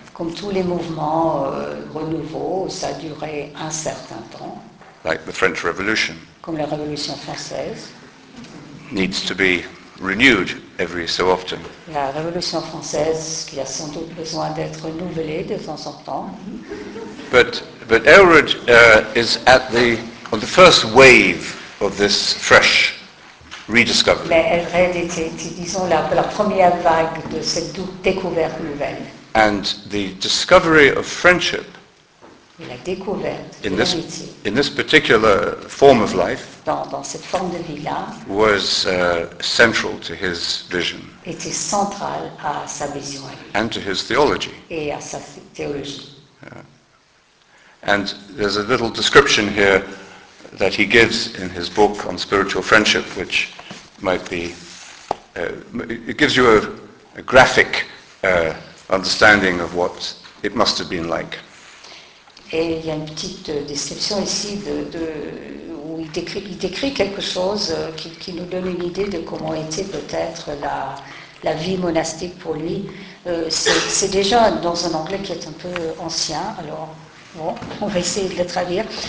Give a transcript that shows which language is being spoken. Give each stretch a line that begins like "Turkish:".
French: Comme tous les mouvements renouveaux, ça a duré un certain temps.
English: Like the French Revolution.
French: Comme la Révolution française.
English: Needs to be renewed every so often.
French: La Révolution française qui a sans doute besoin d'être renouvelée de temps en temps.
English: But Aelred is at on the first wave of this fresh rediscovery.
French: Mais Aelred était, disons, la première vague de cette découverte nouvelle.
English: And the discovery of friendship in this particular form of life
French: dans cette forme de vie-là,
English: was central to his vision,
French: était central à sa vision
English: and to his theology.
French: Et à sa théologie.
English: And there's a little description here that he gives in his book on spiritual friendship, which might be, it gives you a graphic understanding of what it must have been like.
French: Et il y a une petite description ici de où il décrit quelque chose qui nous donne une idée de comment était peut-être la vie monastique pour lui. C'est déjà dans un anglais qui est un peu ancien, alors bon, on va essayer de le traduire.